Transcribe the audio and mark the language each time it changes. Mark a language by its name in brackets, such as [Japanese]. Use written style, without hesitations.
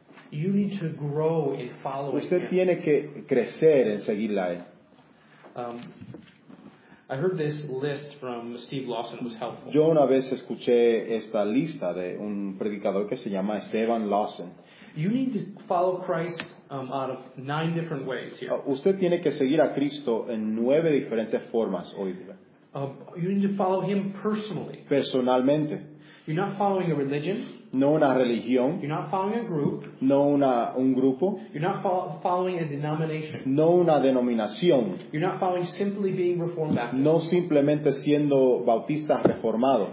[English] You need to grow in following [Spanish] usted [English] him. [Spanish] Tiene que crecer en seguirla a él. [English] I heard this list from Steve Lawson. It was helpful. [Spanish] Yo una vez escuché esta lista de un predicador que se llama Esteban Lawson. [English] You need to follow Christ out of 9 different ways here. [Spanish] Usted tiene que seguir a Cristo en 9 diferentes formas hoy día. [English] You need to follow him personally. [Spanish] Personalmente. [English] You're not following a religion. [Spanish] No una religión. [English] You're not following a group. [Spanish] No un grupo. [English] You're not following a denomination. [Spanish] No una denominación. [English] You're not following simply being reformed Baptist. [Spanish] No simplemente siendo bautista reformado.